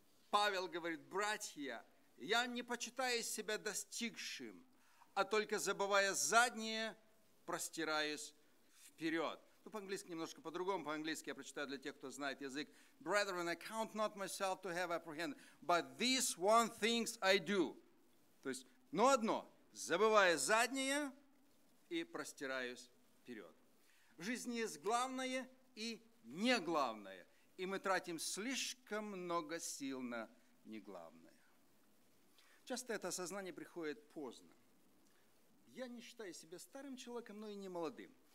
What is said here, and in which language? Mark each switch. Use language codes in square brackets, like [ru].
[ru] Павел говорит: «Братья, я не почитаю себя достигшим, а только забывая заднее, простираюсь вперед». Ну, по-английски немножко по-другому. По-английски я прочитаю для тех, кто знает язык. [en] «Brethren, I count not myself to have apprehended, but this one things I do». [ru] То есть, но одно, забывая заднее и простираюсь вперед. В жизни есть главное и не главное, и мы тратим слишком много сил на неглавное. Часто это осознание приходит поздно. Я не считаю себя старым человеком, но и не молодым.